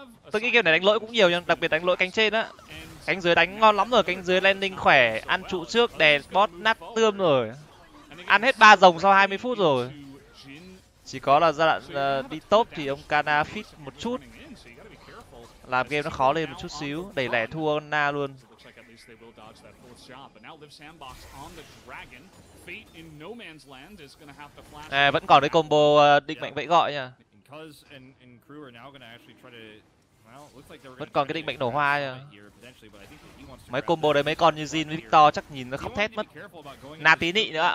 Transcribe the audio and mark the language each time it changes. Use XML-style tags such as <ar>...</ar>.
<vi>Tôi nghĩ game này đánh lỗi cũng nhiều nhưng đặc biệt đánh lỗi cánh trên á. Cánh dưới đánh ngon lắm rồi, cánh dưới landing khỏe, ăn trụ trước, đè bot nát tươm rồi. Ăn hết 3 rồng sau 20 phút rồi. Chỉ có là giai đoạn đi top thì ông Kana fit một chút. Làm game nó khó lên một chút xíu, đẩy lẻ thua Na luôn.</vi> <en>They will dodge that fourth shot, but now Liv Sandbox on the dragon. Fate in no man's land is gonna have to flash.</en> <vi>À, vẫn còn cái combo định mệnh vẫy gọi nha.</vi> <en>Cuz and crew are now gonna actually try to, well, looks like they're</en> <vi>vẫn còn cái định mệnh nổ hoa nha. Mấy combo đấy mấy con như Jin với Victor chắc nhìn nó khóc thét mất. Na tí nị nữa ạ.</vi>